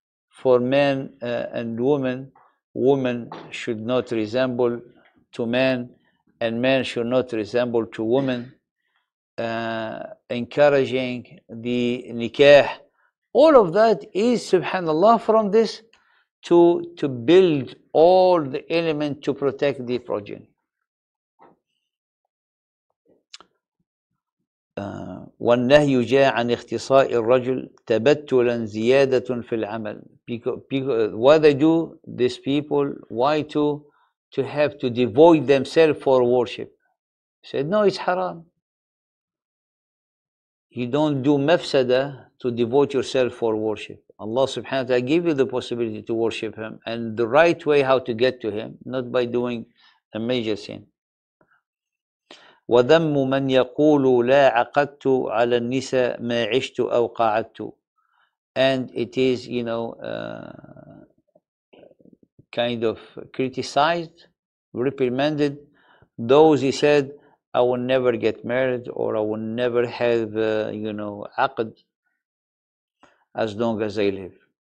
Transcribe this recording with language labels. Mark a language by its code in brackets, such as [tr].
[en] For men and women, women should not resemble to men, and men should not resemble to women. Encouraging the nikah, all of that is, subhanallah, from this to build all the element to protect the progeny. [ar] والنهي جاء عن اختصاء الرجل تبتلا زيادة في العمل. [en] Because why they do these people, why to have to devote themselves for worship? Said no, it's haram. You don't do mafsada to devote yourself for worship. Allah subhanahu wa ta'ala give you the possibility to worship him and the right way how to get to him, not by doing a major sin. [ar] وذم من يقول لا عقدت على النساء ما عشت أو قعدت. [en] And it is, you know, kind of criticized, reprimanded, those he said, I will never get married or I will never have, you know, عقد as long as I live.